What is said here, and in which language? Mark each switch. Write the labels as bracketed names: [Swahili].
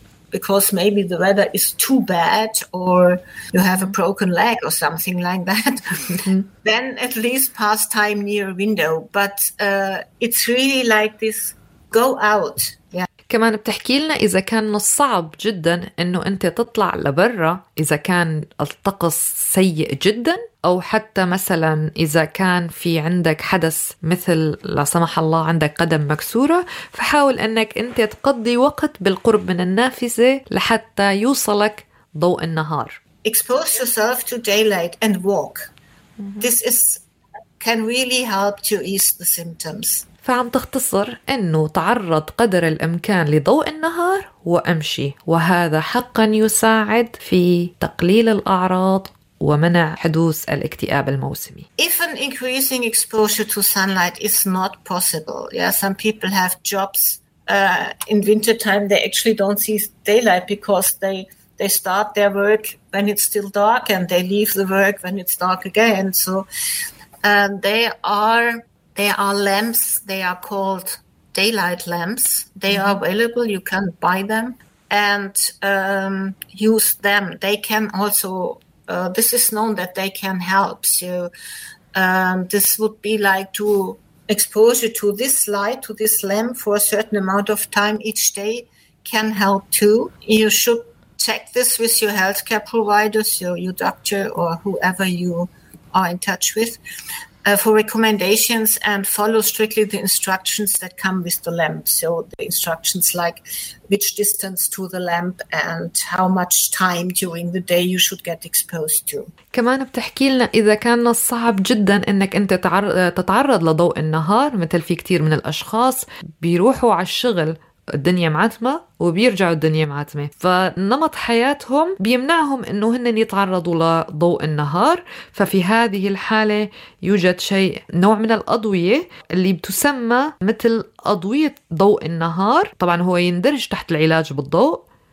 [English] Because maybe the weather is too bad or you have a broken leg or something like that, then at least pass time near a window. But it's really like this, go out. Yeah. [Arabic] كمان بتحكي لنا إذا كان صعب جدا أنه أنت تطلع لبرا إذا كان الطقس سيء جدا أو حتى مثلا إذا كان في عندك حدث مثل لا سمح الله عندك قدم مكسورة فحاول أنك أنت تقضي وقت بالقرب من النافذة لحتى يوصلك ضوء النهار. [English] Expose yourself to daylight and walk. This is can really help to ease the symptoms. [Arabic] فعم تختصر أنه تعرض قدر الإمكان لضوء النهار وأمشي وهذا حقا يساعد في تقليل الأعراض ومنع حدوث الاكتئاب الموسمي. [English] If an increasing exposure to sunlight is not possible, yeah, some people have jobs in winter time they actually don't see daylight because they start their work when it's still dark and they leave the work when it's dark again. So there are lamps, they are called daylight lamps. They are available, you can buy them and use them. They can also this is known that they can help. So this would be like to exposure to this light, to this lamp for a certain amount of time each day can help too. You should check this with your healthcare provider, so your doctor or whoever you are in touch with, for recommendations and follow strictly the instructions that come with the lamp. So the instructions like which distance to the lamp and how much time during the day you should get exposed to. [Arabic] كمان بتحكي لنا إذا كان صعب جدا أنك أنت تتعرض لضوء النهار مثل في كتير من الأشخاص بيروحوا على الشغل الدنيا معتمة وبيرجعوا الدنيا معتمة فنمط حياتهم بيمنعهم انه هن يتعرضوا لضوء النهار ففي هذه الحالة يوجد شيء نوع من الأضوية اللي بتسمى مثل أضوية ضوء النهار طبعا هو يندرج تحت العلاج بالضوء